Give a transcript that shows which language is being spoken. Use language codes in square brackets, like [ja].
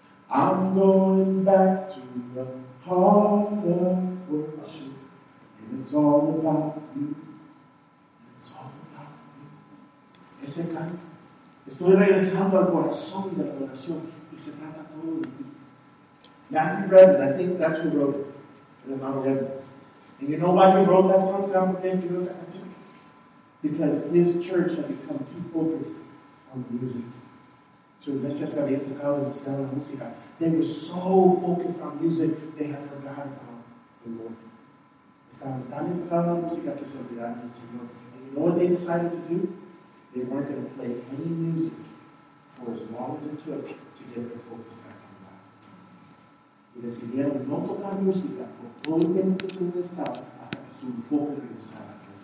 [en] I'm going back to the heart of worship, and it's all about you. It's all about you. [es] Ese canto. Estoy regresando al corazón de la oración y se trata todo de ti. [en] Matthew Redman, I think that's who wrote it. The Mount Redman. And you know why he wrote that song? Sam, okay, you know that song? Because his church had become too focused on the music. [es] Su iglesia se había enfocado demasiado en la música. [en] They were so focused on music, they had forgotten about the Lord. [es] Estaban tan enfocados en la música que se olvidaron del Señor. [en] And you know what they decided to do? They weren't going to play any music for as long as it took to get their focus back on God. [es] Y decidieron no tocar música por todo el tiempo que se necesitaba hasta que su enfoque regresara.